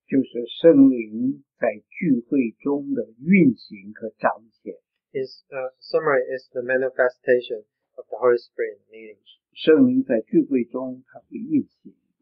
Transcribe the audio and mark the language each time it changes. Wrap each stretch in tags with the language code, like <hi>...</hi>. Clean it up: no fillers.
<zh>就是圣灵在聚会中的运行和彰显</zh> <en>Summary is the manifestation of the Holy Spirit in the meetings.</en> <zh>圣灵在聚会中他会运行</zh>